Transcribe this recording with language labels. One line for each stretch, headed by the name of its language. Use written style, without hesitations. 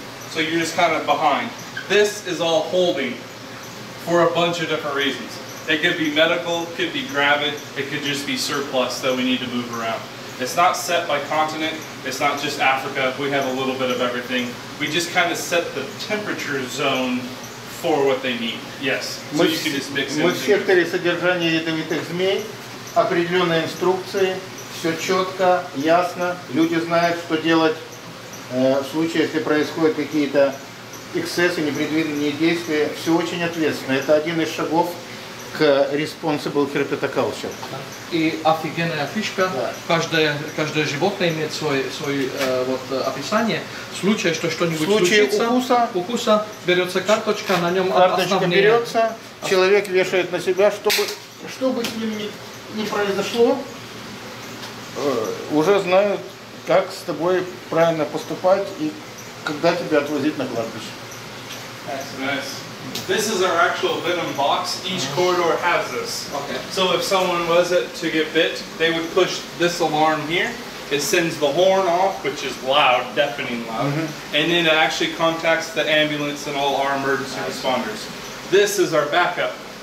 English: So you're just kind of behind. This is all holding for a bunch of different reasons. It could be medical, it could be gravid, it could just be surplus that we need to move around. It's not set by continent. It's not just Africa. We have a little bit of everything. We just kind of set the temperature zone for what they need. Yes.
Russian: Мы,
English: so you can just mix it.
Russian: Мы в секторе содержания ядовитых змей. Определенные инструкции. Все четко, ясно. Люди знают, что делать в случае, если происходят какие-то эксцессы, непредвиденные действия. Все очень ответственно. Это один из шагов к
English: responsible herpetoculture.
Russian: И офигенная фишка. Да. Каждое животное имеет свой описание. В случае, что что-нибудь случится. В случае укуса берется карточка, на нем карточка основные. Берется, человек вешает на себя, чтобы с ним не произошло. Уже знают, как с тобой правильно поступать и когда тебя отвозить на кладбище.
English: This is our actual venom box. Each corridor has this. Okay. So if someone was to get bit, they would push this alarm here. It sends the horn off, which is loud, deafening loud. Mm-hmm. And then it actually contacts the ambulance and all our emergency responders. This is our backup.